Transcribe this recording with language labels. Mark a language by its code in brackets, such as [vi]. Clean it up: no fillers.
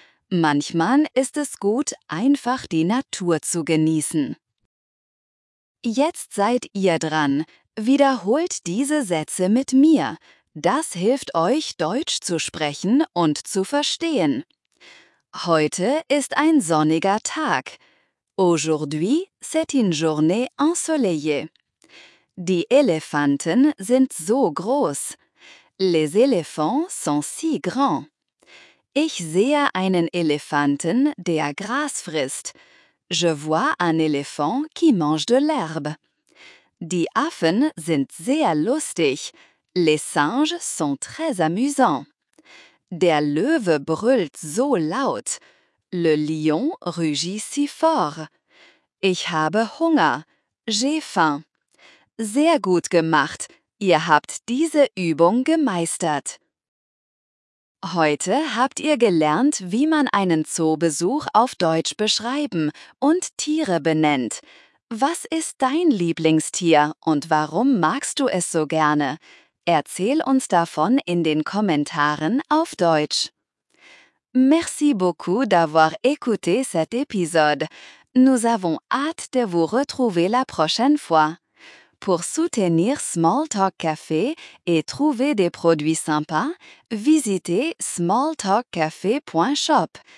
[de] Manchmal ist es gut, einfach die Natur zu genießen. Jetzt seid ihr dran. Wiederholt diese Sätze mit mir. Das hilft euch, Deutsch zu sprechen und zu verstehen. Heute ist ein sonniger Tag. [fr] Aujourd'hui, c'est une journée ensoleillée. [de] Die Elefanten sind so groß. [fr] Les éléphants sont si grands. [de] Ich sehe einen Elefanten, der Gras frisst. [fr] Je vois un éléphant qui mange de l'herbe. [de] Die Affen sind sehr lustig. [fr] Les singes sont très amusants. [de] Der Löwe brüllt so laut. [fr] Le lion rugit si fort. [de] Ich habe Hunger. [fr] J'ai faim. [de] Sehr gut gemacht. Ihr habt diese Übung gemeistert. Heute habt ihr gelernt, wie man einen Zoobesuch auf Deutsch beschreiben und Tiere benennt. Was ist dein Lieblingstier und warum magst du es so gerne? Erzähl uns davon in den Kommentaren auf Deutsch. [fr] Merci beaucoup d'avoir écouté cet épisode. Nous avons hâte de vous retrouver la prochaine fois. pour soutenir Small Talk Café et trouver des produits sympas, visitez smalltalkcafe.shop.